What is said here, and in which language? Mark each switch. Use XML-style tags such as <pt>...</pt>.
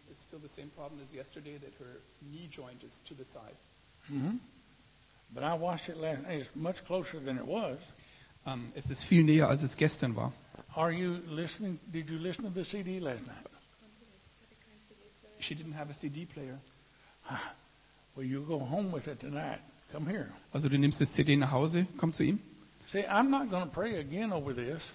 <en>It's still the same problem as yesterday that her knee joint is to the side. Mm-hmm. But I washed it last night. It's much closer than it was.</en> <de>Es ist viel näher als es gestern war.</de> <en>Are you listening? Did you listen to the CD last night? She didn't have a CD player. Well, you go home with it tonight. Come here.</en> <de>Also du nimmst das CD nach Hause. Komm zu ihm.</de> <en>See, I'm not going to pray again over this.</en>